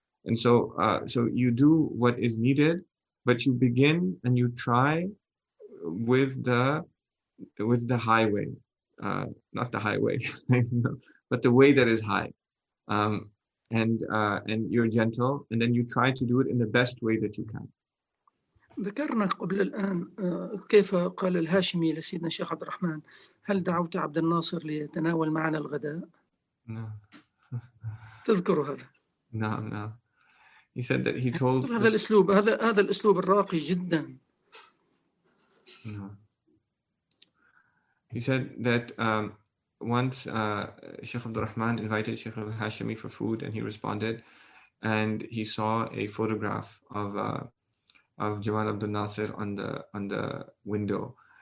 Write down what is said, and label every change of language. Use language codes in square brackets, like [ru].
[en] And so so you do what is needed, but you begin and you try with the highway, not the highway, but the way that is high, and you're gentle, and then you try to do it in the best way that you can. [ar] ذكرنا قبل الآن كيف قال الهاشمي لسيدنا الشيخ عبد الرحمن: هل دعوت عبد الناصر ليتناول معنا الغداء؟ نعم تذكر هذا؟ نعم نعم [en] He said that he told [ar] هذا [en] this... [ar] الأسلوب، هذا الأسلوب الراقي جدا. نعم [en] He said that once Sheikh Abdul Rahman invited Sheikh Al Hashimi for food and he responded and he saw a photograph of Jamal Abdul Nasser on the window.